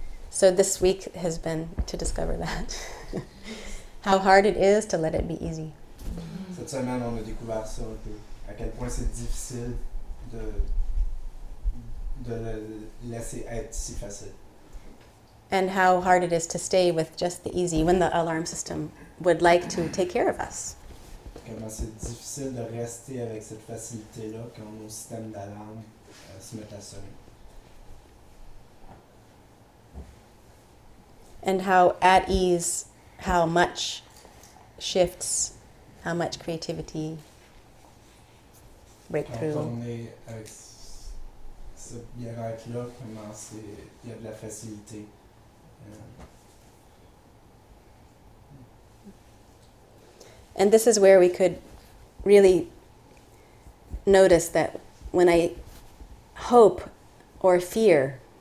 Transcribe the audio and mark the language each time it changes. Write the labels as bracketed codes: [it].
[en] So this week has been to discover that. How hard it is to let it be easy. [fr] Cette semaine, on a découvert ça un peu. À quel point c'est difficile de le laisser être si facile. [en] And how hard it is to stay with just the easy when the alarm system would like to take care of us. [fr] Comment c'est difficile de rester avec cette facilité-là quand nos systèmes d'alarme se mettent à sonner. [en] And how at ease, how much shifts, how much creativity, breakthrough. [fr] Quand on est avec ce bien-être-là, comment c'est, il y a de la facilité. [en] And this is where we could really notice that when I hope or fear.